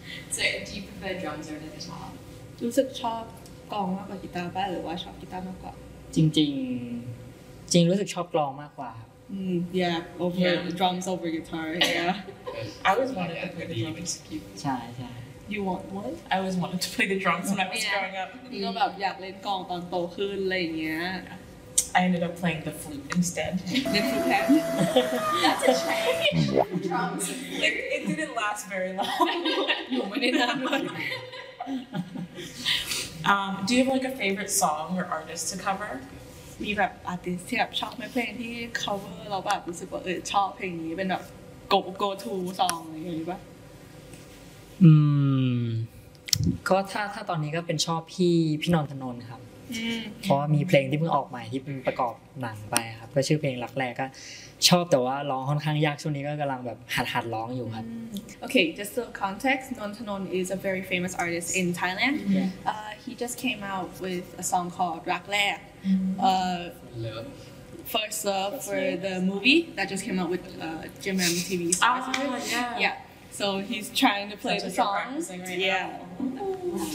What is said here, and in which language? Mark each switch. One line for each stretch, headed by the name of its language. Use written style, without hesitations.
English: so do you prefer drums or the guitar
Thai: รู้สึกชอบกลองมากกว่ากีตาร์ป่ะหรือว่าชอบกีตาร์มากกว่า จริงๆจริงรู้สึกชอบกลองมากกว่า
English: yeah over yeah. The drums over guitar yeah I always wanted to play the drums
Thai: ใช่ใช่
English: you want what I always wanted to play the drums when I was growing up
Thai: ก็แบบอยากเล่นกลองตอนโตขึ้นอะไรเงี้ย
English: I ended up playing the flute instead the flute that's a change drums it didn't last very long you won it that much do you have like a favorite song or artist to cover?
Thai: มีแบบอาร์ติสต์ที่แบบชอบไหมเพลงที่ cover เราแบบรู้สึกว่าเออชอบเพลงนี้เป็นแบบ
English: go go to song
Thai: อะไรอย่างนี้ป่ะ อืมก็ถ้าตอนนี้ก็เป็นชอบพี่นนทนนท์ครับเพราะมีเพลงที่เพิ่งออกใหม่ที่เป็นประกอบหนังไปครับก็ชื่อเพลงรักแรกก็ชอบแต่ว่าร้องค่อนข้างยากช่วงนี้ก็กำลังแบบหัดร้องอยู่ครับ
English: โอเค just the context Non Thanon is a very famous artist in Thailand yeah. He just came out with a song called รักแรก first love for the movie that just came out with Jim M TV yeah so he's trying to play the song yeah